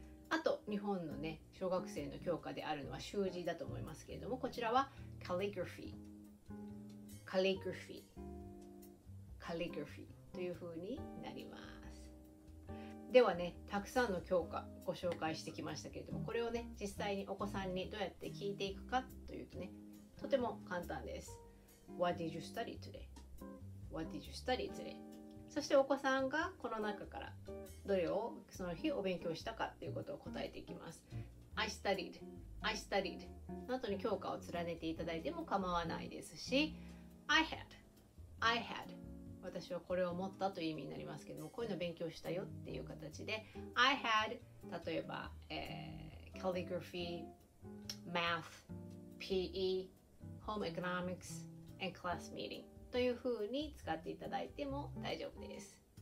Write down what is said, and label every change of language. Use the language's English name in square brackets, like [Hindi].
[Japanese] あと日本のね小学生の教科であるのは習字だと思いますけれども、こちらはカリグラフィーカリグラフィーカリグラフィーというふうになります。ではね、たくさんの教科ご紹介してきましたけれども、これをね実際にお子さんにどうやって聞いていくかというとね、とても簡単です。 [English] What did you study today? What did you study today? [Japanese] そしてお子さんがこの中からどれをその日お勉強したかということを答えていきます。 [English] I studied I studied [Japanese] の後に教科を連ねていただいても構わないですし、 [English] I had I had [Japanese] 私はこれを持ったという意味になりますけども、こういうの勉強したよっていう形で I had 例えば、 [English] calligraphy math PE home economics and class meeting [Japanese] という風に使っていただいても大丈夫です。